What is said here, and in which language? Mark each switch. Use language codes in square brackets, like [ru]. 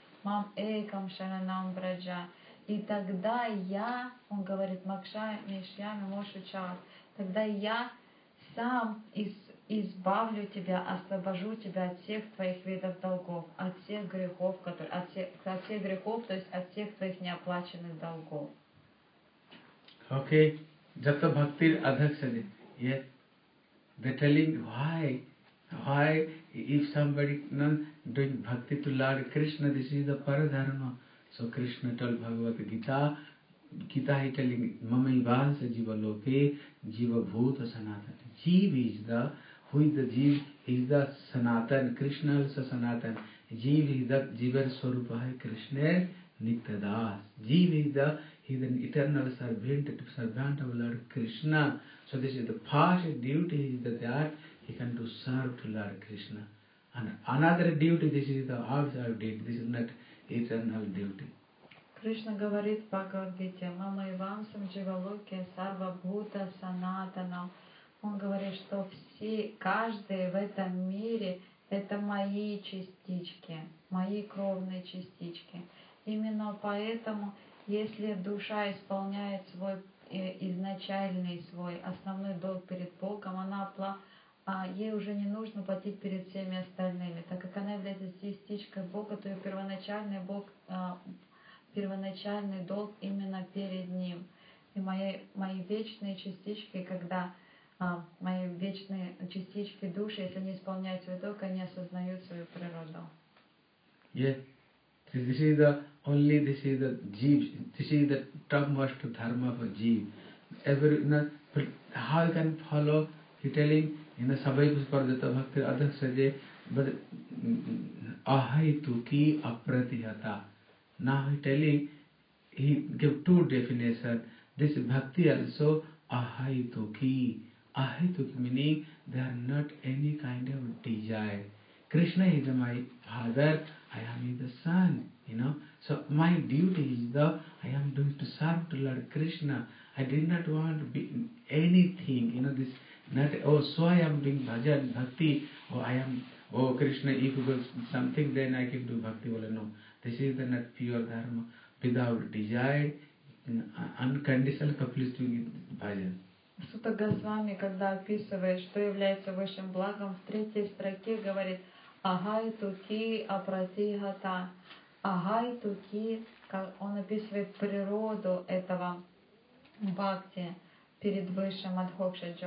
[sa] «Мам экам шаранам браджа». [ru] И тогда я, он говорит, [sa] «Макша мишьями мошу чар». [ru] Тогда я сам избавлю тебя, освобожу тебя от всех твоих видов долгов, от всех грехов, от всех грехов, то есть от всех твоих неоплаченных долгов. [sa] Okay. Jata bhaktir adhaksade. Yeah. [en] They're telling why if somebody doing bhakti to Lord Krishna, this is the paradharma. So Krishna told Bhagavad Gita he telling [sa] mamaivasa jiva loke jiva bhuta sanatana. [en] Jeev is the Who is the Jeev? He is the Sanatan, Krishna is the Sanatan. Jeev is the [sa] Jeevar Swarupaya Krishna Nityadas. [en] Jeev is the, he is an eternal servant of Lord Krishna. So this is the first duty is that he can to serve to Lord Krishna. And another duty, this is the outside duty, this is not eternal duty. [ru] Кришна говорит Бхагавадгите, [sa] мама Ивансам, Дживалоке, Сарва Бхута, Санатанам. [ru] Он говорит, что все, каждый в этом мире, это мои частички, мои кровные частички. Именно поэтому, если душа исполняет свой изначальный, свой основной долг перед Богом, ей уже не нужно платить перед всеми остальными, так как она является частичкой Бога, то ее первоначальный Бог... первоначальный долг именно перед Ним. И мои вечные частички, мои вечные частички души, если они исполняют свой долг, они осознают свою природу. [en] Yeah. This is the only, this is the jeev, this is the topmost dharma for jeev. Every, you know, how you can follow, he telling, in the [sa] sabayipus parjata bhakti adhak saje, [en] but [sa] ahai tuki apratihata. [en] Now he telling, he give two definitions. This bhakti also ahaituki. Ahaituki meaning there are not any kind of desire. Krishna is my father, I am the son, you know. So my duty is I am doing to serve to Lord Krishna. I did not want to be anything, you know, this not so I am doing bhajan bhakti, Krishna, if you go something, then I can do bhakti. Well, no. This is the not pure dharma, without desire, unconditional completely bhajan. [ru] Сута Госвами, когда описывает, что является высшим благом, в третьей строке говорит [sa] «Агай туки апратихата». «Агай туки», [ru] он описывает природу этого бхакти перед высшим адхокшаджи.